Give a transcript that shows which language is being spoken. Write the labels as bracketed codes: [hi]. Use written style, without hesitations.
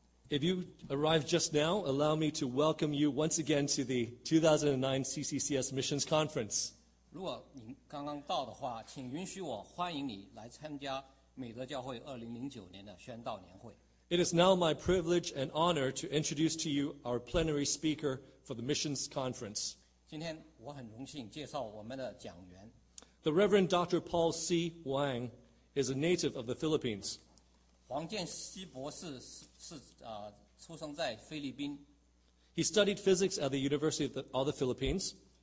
[en] If you arrived just now, allow me to welcome you once again to the 2009 CCCS Missions Conference. [zh] 如果您刚刚到的话，请允许我欢迎你来参加美德教会2009年的宣道年会。 [en] It is now my privilege and honor to introduce to you our plenary speaker for the Missions Conference. [zh] 今天我很荣幸介绍我们的讲员。 [en] The Reverend Dr. Paul C. Wang is a native of the Philippines. [zh] 黄建熙博士出生在菲律宾。 [en] He studied physics at the University of the Philippines.